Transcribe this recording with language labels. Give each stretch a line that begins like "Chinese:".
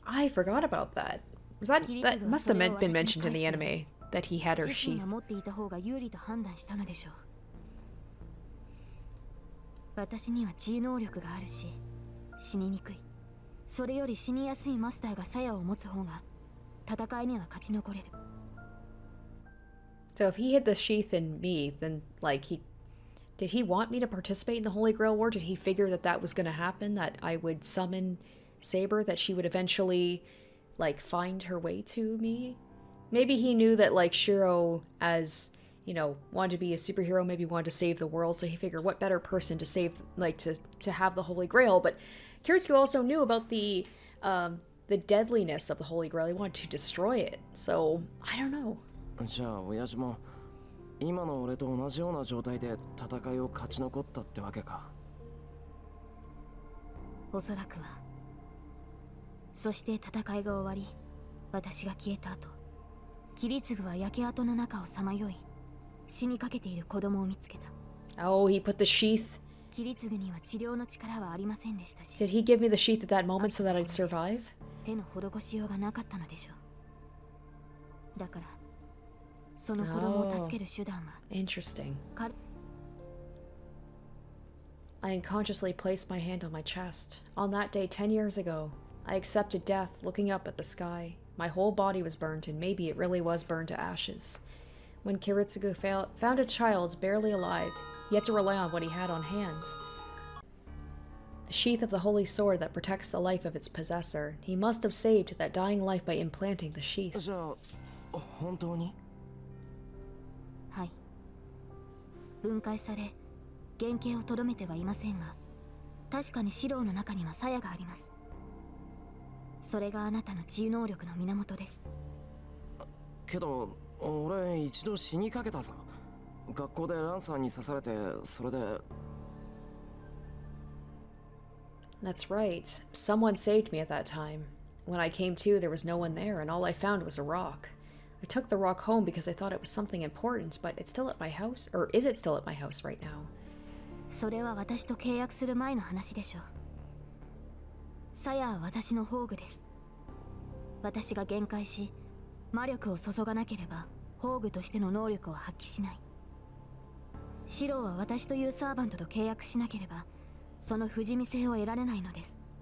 English: I forgot about that. Was that must have been mentioned in the anime that he had her sheath.
Japanese: 自身が持っていた方が有利と判断したのでしょう。私には知能力があるし、死ににくい。それより死にやすいマスターが鞘を持つ方が、戦いには勝ち残れる。
English: So if he had the sheath in me, then like he, did he want me to participate in the Holy Grail War? Did he figure that that was going to happen? That I would summon Saber? That she would eventually like find her way to me? Maybe he knew that like Shiro as, you know, wanted to be a superhero, maybe wanted to save the world. So he figured what better person to save, like to have the Holy Grail. But Kiritsugu also knew about the deadliness of the Holy Grail. He wanted to destroy it. So I don't know.
Japanese: じゃあ親父も今の俺と同じような状態で戦いを勝ち残ったってわけか。おそらくは。そして戦いが終わり、私が消えた後、キリツグは焼け跡の中をさまよい、死にかけている子供を見つけた。
English: Oh, he put the sheath.
Japanese: キリツグには治療の力はありませんでしたし。
English: Did he give me the sheath at that moment so that I'd survive?
Japanese: 手の施しようがなかったのでしょう。だから。その子供を助ける手段は、
English: oh, interesting. I unconsciously placed my hand on my chest. On that day, 10 years ago, I accepted death, looking up at the sky. My whole body was burnt, and maybe it really was burned to ashes. When Kiritsugu found a child barely alive, he had to rely on what he had on hand. The sheath of the holy sword that protects the life of its possessor. He must have saved that dying life by implanting the sheath.
Japanese: So, 本当に? 分解され、原型をとどめてはいませんが、確かにシローの中には鞘があります。それがあなたの治癒能力の源です。けど、俺一度死にかけたぞ。学校でランサーに刺されて、それで。
English: That's right. Someone saved me at that time. When I came to, there was no one there, and all I found was a rock. I took the rock home because I thought it was something important, but it's still at my house, or is it still at my house right now?
Japanese: それは私と契約する前の話でしょう。鞘は私の宝具です。私が限界し、魔力を注がなければ、宝具としての能力を発揮しない。シローは私というサーヴァントと契約しなければ、その不死身性を得られないのです。